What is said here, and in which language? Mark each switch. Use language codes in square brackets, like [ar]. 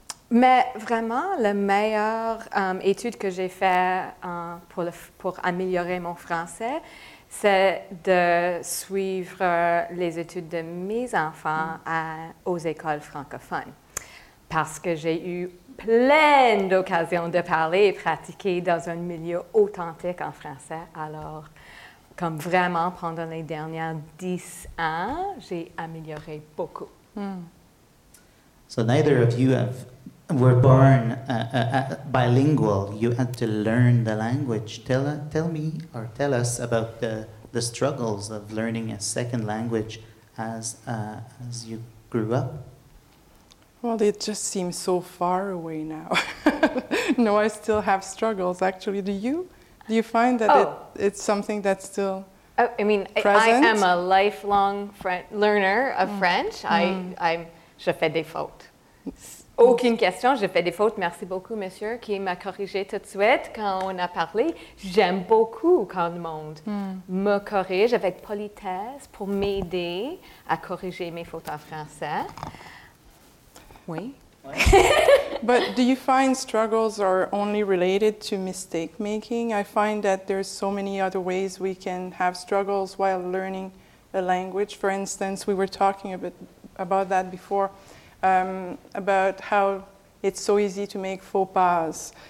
[fr] Mais vraiment, la meilleure étude que j'ai faite pour améliorer mon français, c'est de suivre les études de mes enfants aux écoles francophones. Parce que j'ai eu plein d'occasions de parler et pratiquer dans un milieu authentique en français. Alors, comme vraiment, pendant les dernières 10 ans, j'ai amélioré beaucoup. [en] So neither of you were born bilingual. You had to learn the language. Tell me or tell us about the struggles of learning a second language as you grew up. Well, it just seems so far away now. No, I still have struggles, actually. Do you? Do you find that it's something that's still present? I am a lifelong learner of French. [fr] Je fais des fautes. Aucune question, je fais des fautes. Merci beaucoup, monsieur, qui m'a corrigé tout de suite quand on a parlé. J'aime beaucoup quand le monde me corrige avec politesse pour m'aider à corriger mes fautes en français. Oui. [en] But do you find struggles are only related to mistake making? I find that there's so many other ways we can have struggles while learning a language. For instance, we were talking a bit about that before, about how it's so easy to make faux pas.